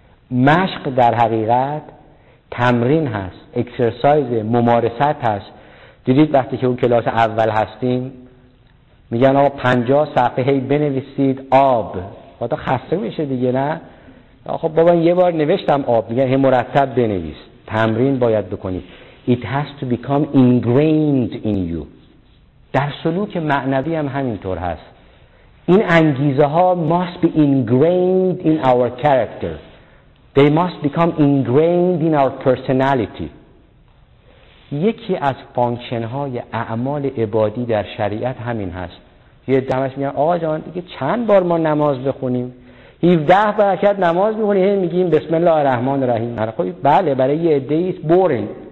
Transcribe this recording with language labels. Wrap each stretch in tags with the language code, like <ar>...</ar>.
<fa>مشق در حقیقت تمرین هست، اکسرسایز، ممارست هست. دیدید وقتی که اون کلاس اول هستیم میگن آقا 50 صفحه بنویسید آب، خدا خسته میشه دیگه. نه آخه بابا یه بار نوشتم آب. میگن هی مرتب بنویس، تمرین باید بکنی.</fa> <en>It has to become ingrained in you.</en> <fa>در سلوک معنوی هم همینطور هست. این انگیزه ها</fa> <en>must be ingrained in our character. They must become ingrained in our personality.</en> <fa>یکی از فانکشن های اعمال عبادی در شریعت همین هست. یه دمش میگن آقا جان دیگه چند بار ما نماز بخونیم؟ 17 برکت نماز میخونی؟ هی میگیم بسم الله الرحمن الرحیم. بله برای یه عده ایت boring.</fa>